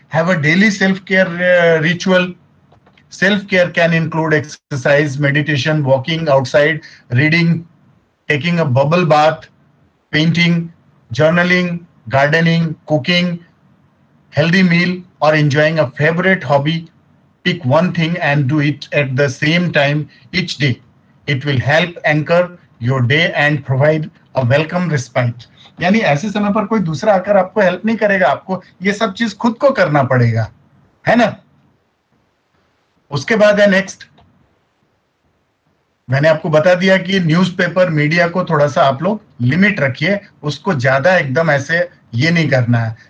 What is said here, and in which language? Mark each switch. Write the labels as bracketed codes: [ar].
[en] Have a daily self care ritual. Self care can include exercise, meditation, walking outside, reading, taking a bubble bath, painting, journaling, gardening, cooking, healthy meal और enjoying a favourite hobby. Pick one thing and do it at the same time each day. It will help anchor your day and provide a welcome respite. [hi] यानी ऐसे समय पर कोई दूसरा आकर आपको help नहीं करेगा, आपको ये सब चीज खुद को करना पड़ेगा, है ना। उसके बाद है नेक्स्ट, मैंने आपको बता दिया कि न्यूज़पेपर मीडिया को थोड़ा सा आप लोग लिमिट रखिए, उसको ज्यादा एकदम ऐसे ये नहीं करना है।